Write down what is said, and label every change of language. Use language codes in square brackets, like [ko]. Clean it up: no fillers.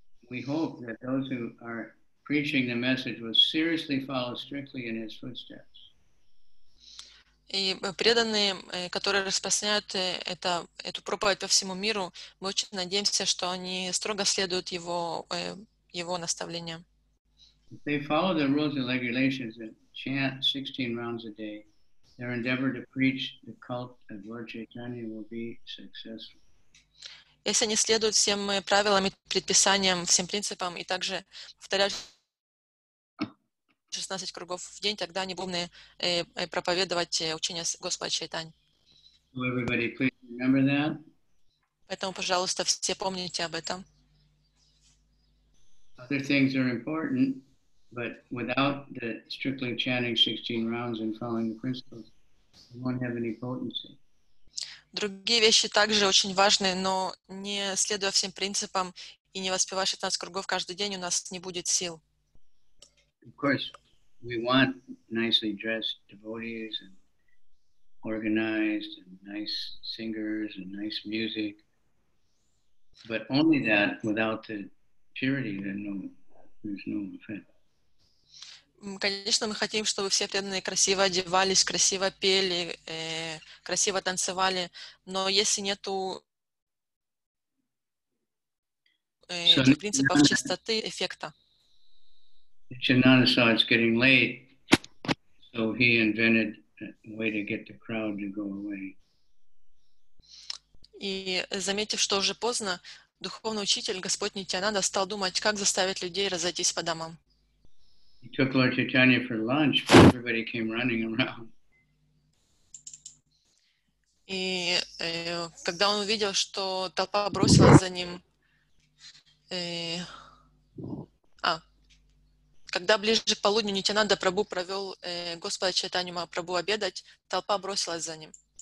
[en] We hope that those who are preaching the message was seriously followed strictly in his footsteps. [ru] И преданные, которые распространяют эту проповедь по всему миру, мы очень надеемся, что они строго следуют его наставлениям. [en] If they follow the rules and regulations and chant 16 rounds a day, their endeavor to preach the cult of Lord Chaitanya will be successful. [ru] Если они следуют всем правилам и предписаниям, всем принципам и также повторяют 16 кругов в день, тогда они будут проповедовать учение Господа Чайтани. Поэтому, пожалуйста, все помните об этом. [en] Other things are important, but without the strictly chanting 16 rounds and following the principles, they won't have any potency. [ru] Другие вещи также очень важны, но не следуя всем принципам и не воспевая 16 кругов каждый день, у нас не будет сил. [en] Of course. We want nicely dressed devotees and organized and nice singers and nice music, but only that without the purity, then there's no effect. [ru] Конечно, мы хотим, чтобы все преданные красиво одевались, красиво пели, красиво танцевали, но если нету принципов чистоты, эффекта. [en] Nityananda saw it's getting late, so he invented a way to get the crowd to go away. [ru] И заметив, что уже поздно, духовный учитель, Господь Нитьянанда, стал думать, как заставить людей разойтись по домам. [en] He took Lord Chaitanya for lunch, but everybody came running around. [ru] И когда он увидел, что толпа бросилась за ним, когда ближе к полудню Нитьянанда Прабху провел Господа Чайтанью Махапрабху обедать, толпа бросилась за ним.